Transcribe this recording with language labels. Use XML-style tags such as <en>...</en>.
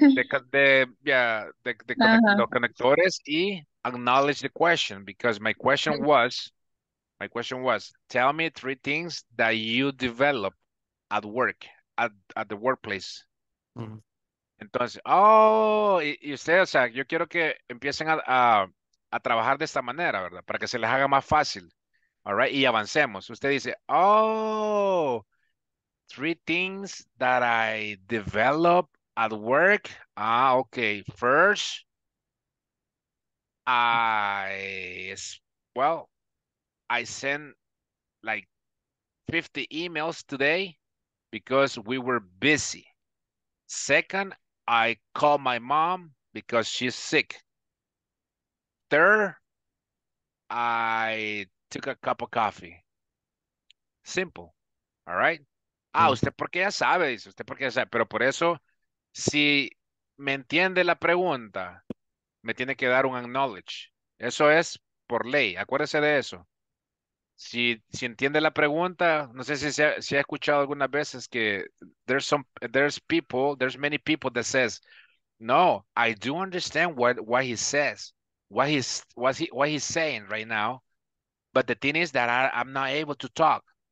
<es>Los conectores y</es> <en>acknowledge the question, because my question was, tell me three things that you develop at work, at the workplace. Mm-hmm.</en> <es>Entonces, y ustedes, yo quiero que empiecen a trabajar de esta manera, ¿verdad? Para que se les haga más fácil,</es> <en>all right?</en> <es>Y avancemos. Usted dice,</es> <en>three things that I develop at work. Okay. First, I sent like 50 emails today because we were busy. Second, I called my mom because she's sick. Third, I took a cup of coffee. Simple. All right.</en> <es>Usted porque ya sabe, pero por eso, si me entiende la pregunta, me tiene que dar un acknowledge. Eso es por ley, acuérdese de eso. Si entiende la pregunta, no sé si ha escuchado algunas veces que</es> <en>there's many people that says, no, I do understand what he's saying right now, but the thing is that I'm not able to talk.</en>